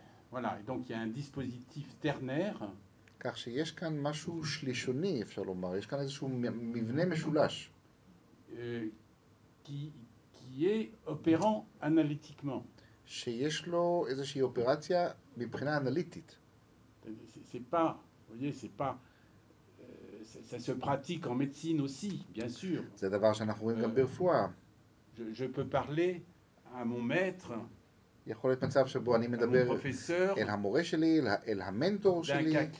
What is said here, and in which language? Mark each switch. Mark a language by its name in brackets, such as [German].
[French] Voilà, et donc il y a un dispositif ternaire. [Hebrew] כך שיש כאן משהו שלישוני, אפשר לומר, יש כאן איזשהו מבנה משולש. [French] qui est opérant analytiquement. Ça se pratique en médecine aussi, bien sûr. Je peux parler à mon maître. [Hebrew] יכול להיות מצב שבו אני מדבר אל המורה שלי, אל המנטור שלי.